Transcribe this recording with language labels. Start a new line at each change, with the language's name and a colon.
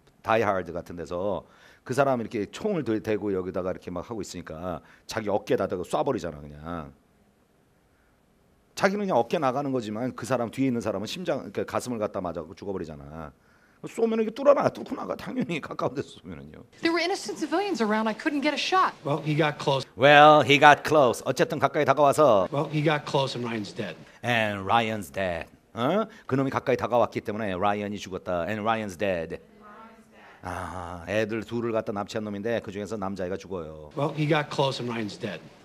Korean: 다이하드 같은 데서 그 사람이 이렇게 총을 대고 여기다가 이렇게 막 하고 있으니까 자기 어깨에다가 쏴버리잖아 그냥. 자기는 그냥 어깨 나가는 거지만 그 사람 뒤에 있는 사람은 심장 그 가슴을 갖다 맞아서 죽어버리잖아. 쏘면 이게 뚫어나, 뚫고 나가 당연히 가까운 데서 쏘면은요.
English: There were innocent civilians around. I couldn't get a shot. Well, he got close. Well, he got close.
Korean: 어쨌든 가까이 다가와서.
English: Well, he got close and Ryan's dead. And Ryan's dead. 어?
Korean: 그놈이 가까이 다가왔기 때문에 Ryan이 죽었다.
English: And Ryan's dead. Ryan's dead.
Korean: 아, 애들 둘을 갖다 납치한 놈인데 그 중에서 남자애가 죽어요.
English: Well, he got close and Ryan's dead.